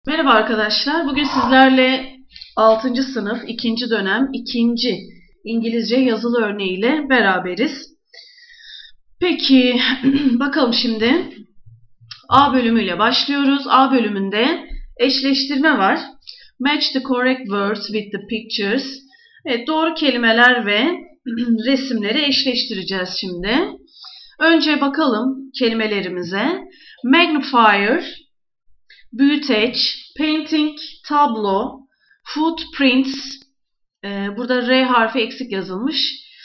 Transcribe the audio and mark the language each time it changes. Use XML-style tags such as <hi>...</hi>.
<tr>Merhaba arkadaşlar, bugün sizlerle 6. sınıf 2. dönem 2. İngilizce yazılı örneğiyle beraberiz. Peki, bakalım şimdi A bölümüyle başlıyoruz. A bölümünde eşleştirme var.</tr> <en>Match the correct words with the pictures.</en> <tr>Evet, doğru kelimeler ve resimleri eşleştireceğiz şimdi. Önce bakalım kelimelerimize. Magnifier, büyüteç, painting, tablo, footprints, burada R harfi eksik yazılmış.</tr>